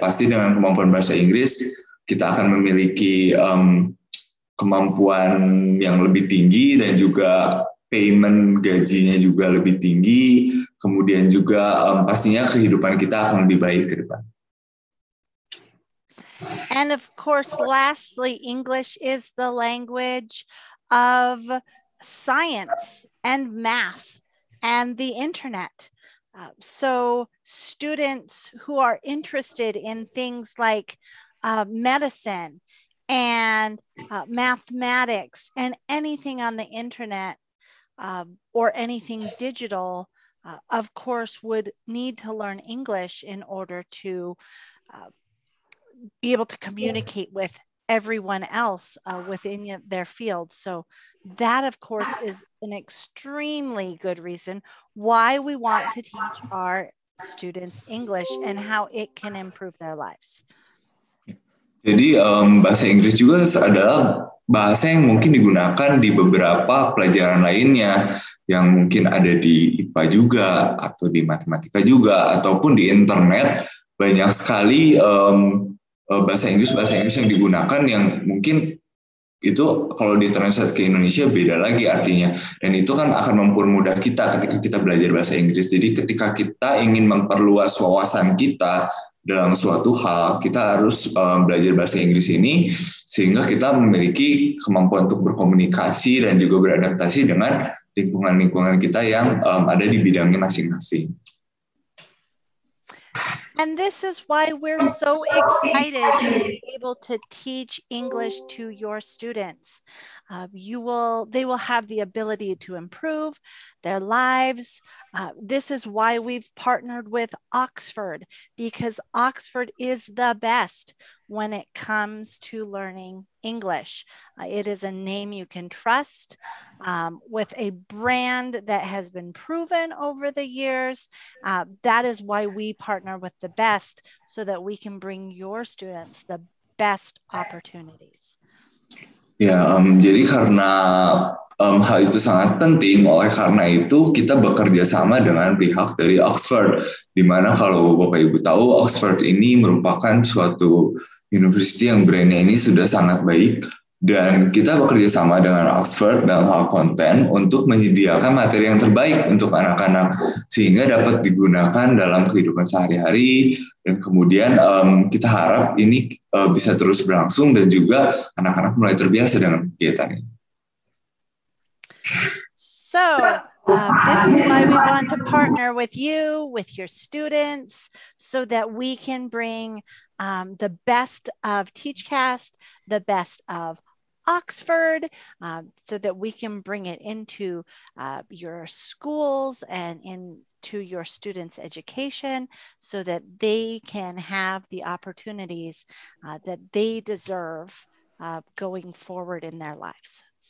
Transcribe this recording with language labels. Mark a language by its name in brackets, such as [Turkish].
[Indonesian] Pasti dengan kemampuan bahasa Inggris kita akan memiliki kemampuan yang lebih tinggi dan juga payment gajinya juga lebih tinggi, kemudian juga pastinya kehidupan kita akan lebih baik ke depan. [English] And of course, lastly, English is the language of science and math and the internet. So students who are interested in things like medicine and mathematics and anything on the internet or anything digital, of course, would need to learn English in order to be able to communicate with everyone else within their field. So that, of course, is an extremely good reason why we want to teach our students English and how it can improve their lives. [Indonesian] Jadi bahasa Inggris juga adalah bahasa yang mungkin digunakan di beberapa pelajaran lainnya yang mungkin ada di IPA juga atau di matematika juga ataupun di internet, banyak sekali bahasa Inggris yang digunakan yang mungkin itu kalau ditranslate ke Indonesia beda lagi artinya, dan itu kan akan mempermudah kita ketika kita belajar bahasa Inggris. Jadi ketika kita ingin memperluas wawasan kita dalam suatu hal, kita harus belajar bahasa Inggris ini sehingga kita memiliki kemampuan untuk berkomunikasi dan juga beradaptasi dengan lingkungan-lingkungan kita yang ada di bidangnya masing-masing. [English] And this is why we're so excited to be able to teach English to your students. They will have the ability to improve their lives. This is why we've partnered with Oxford, because Oxford is the best when it comes to learning English. It is a name you can trust with a brand that has been proven over the years. That is why we partner with the best, so that we can bring your students the best opportunities. [Indonesian] Ya, jadi karena hal itu sangat penting, oleh karena itu kita bekerja sama dengan pihak dari Oxford, di mana kalau Bapak Ibu tahu, Oxford ini merupakan suatu universitas yang brandnya ini sudah sangat baik, Dan kita bekerja sama dengan Oxford dalam hal konten untuk menyediakan materi yang terbaik untuk anak-anak sehingga dapat digunakan dalam kehidupan sehari-hari. Dan kemudian kita harap ini bisa terus berlangsung dan juga anak-anak mulai terbiasa dengan kegiatan ini. [English] So, this is why we want to partner with you, with your students, so that we can bring the best of TeachCast, the best of Oxford, so that we can bring it into your schools and into your students' education so that they can have the opportunities that they deserve going forward in their lives.